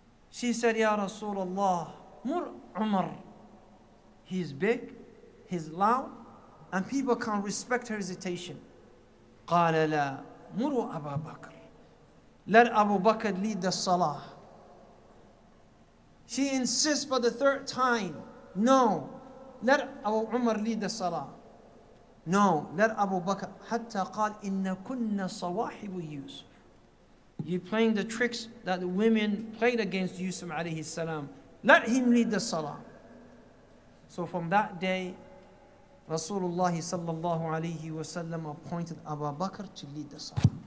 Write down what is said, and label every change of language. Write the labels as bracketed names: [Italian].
[English] She said, Ya Rasulullah, Mur Umar. He's big, he's loud, and people can't respect her hesitation. Qala la, Muru Abu Bakr. Let Abu Bakr lead the salah. She insists for the third time, no. Let Abu Umar lead the salah. No, let Abu Bakr. [Arabic] حتى قال إن كنا صواحب يوسف. [English] You're playing the tricks that the women played against Yusuf alayhi salam. Let him lead the salah. So from that day, Rasulullah sallallahu alayhi wa sallam appointed Abu Bakr to lead the salah.